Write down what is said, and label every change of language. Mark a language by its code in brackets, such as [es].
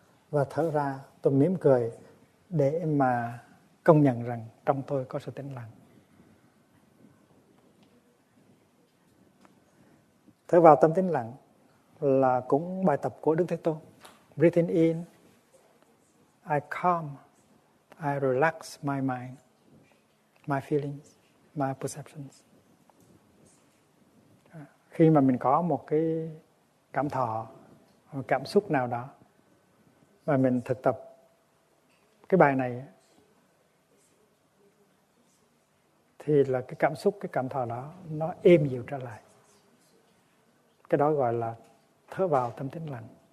[vi] Và thở ra, tôi mỉm cười để mà công nhận rằng trong tôi có sự tĩnh lặng. Thở vào tâm tĩnh lặng là cũng bài tập của Đức Thế Tôn. [en] Breathing in, I calm, I relax my mind, my feelings, my perceptions. [vi] Khi mà mình có một cái cảm thọ, một cảm xúc nào đó, và mình thực tập cái bài này thì là cái cảm xúc, cái cảm thọ đó nó êm dịu trở lại. Cái đó gọi là thở vào tâm tĩnh lặng.